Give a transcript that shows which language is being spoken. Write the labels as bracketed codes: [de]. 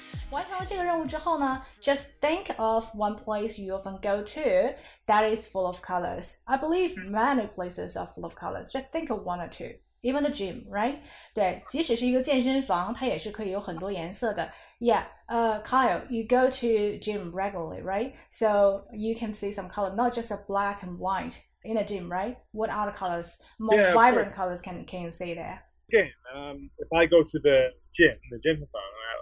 [zh] 完成了这个任务之后呢 [en] ，Just think of one place you often go to that is full of colors. I believe many places are full of colors. Just think of one or two, even the gym, right? [zh] 对，即使是一个健身房，它也是可以有很多颜色的。 [en] Yeah, Kyle, you go to gym regularly, right? So you can see some color, not just a black and white in a gym, right? What other colors, more vibrant colors, can you see there? Again, if I go to the gym, the gym environment.